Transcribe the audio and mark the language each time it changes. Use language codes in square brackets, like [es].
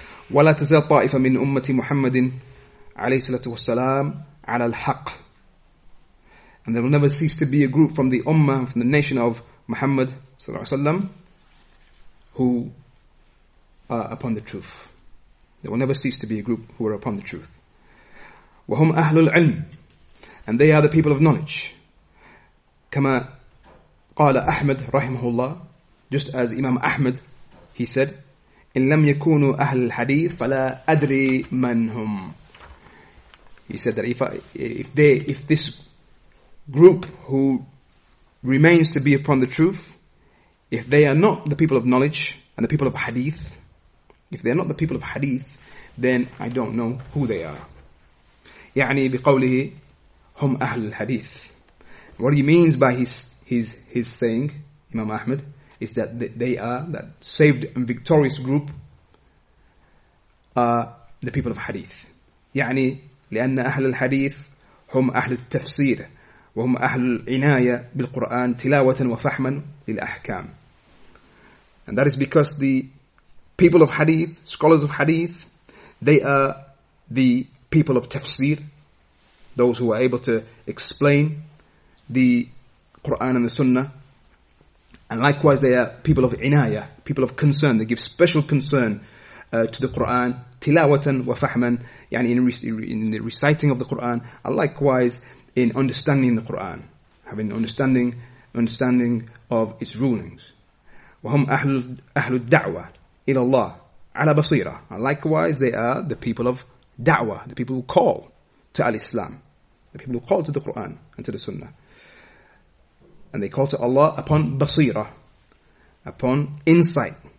[ar] ولا تزال طائفة من أمة محمد عليه الصلاة والسلام على الحق. [en] And there will never cease to be a group from the Ummah, from the nation of Muhammad صلى الله عليه وسلم, who are upon the truth. There will never cease to be a group who are upon the truth. وهم أهل العلم. And they are the people of knowledge. [ar] كما قال أحمد رحمه الله, just as Imam Ahmad, he said, إن لم يكونوا أهل الحديث فلا أدري من هم. [en] He said that if this group who remains to be upon the truth, if they are not the people of knowledge and the people of hadith, if they are not the people of hadith, then I don't know who they are. [ar] يعني بقوله هم أهل الحديث. [en] What he means by his saying, Imam Ahmad, is that they are that saved and victorious group, the people of hadith. [ar] يعني لأن أهل الحديث هم أهل التفسير وهم أهل العناية بالقرآن تلاوة وفحما للأحكام. [en] And that is because the people of hadith, scholars of hadith, they are the people of tafsir, those who are able to explain the Quran and the Sunnah. And likewise, they are people of inayah, people of concern. They give special concern to the Quran, tilawatan wa fahman, yani in the reciting of the Quran, and likewise in understanding the Quran, having understanding of its rulings. [ar] وهم أهل الدعوة إلى الله على بصيرة. [en] And likewise, they are the people of da'wah, the people who call to al-Islam, the people who call to the Quran and to the Sunnah. And they call to Allah upon basira, upon insight.